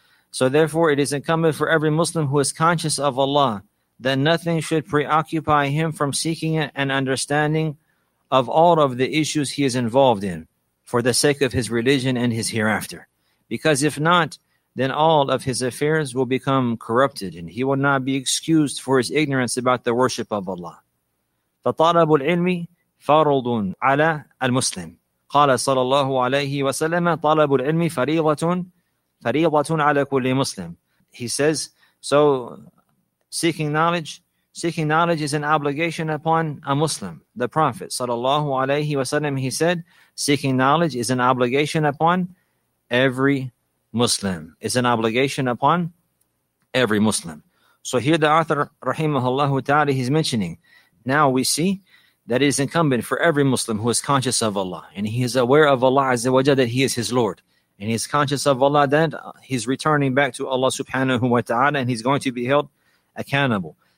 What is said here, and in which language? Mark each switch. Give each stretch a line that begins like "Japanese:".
English: So therefore it is incumbent for every Muslim who is conscious of Allah that nothing should preoccupy him from seeking an understanding of all of the issues he is involved in, for the sake of his religion and his hereafter. Because if not, then all of his affairs will become corrupted, and he will not be excused for his ignorance about the worship of Allah.
Arabic: فطلب العلم فرض على المسلم. قال صلى الله عليه وسلم طلب العلم فريضة فريضة على كل مسلم.
English: He says, so seeking knowledge is an obligation upon a Muslim. The Prophet صلى الله عليه وسلم, he said, seeking knowledge is an obligation upon every Muslim. It's an obligation upon every Muslim. So here the author رحمه ta'ala, he's mentioning, now we see that it is incumbent for every Muslim who is conscious of Allah and he is aware of Allah Azza wa Jalla, that he is his Lord, and he is conscious of Allah, that he's returning back to Allah subhanahu wa ta'ala, and he's going to be held accountable.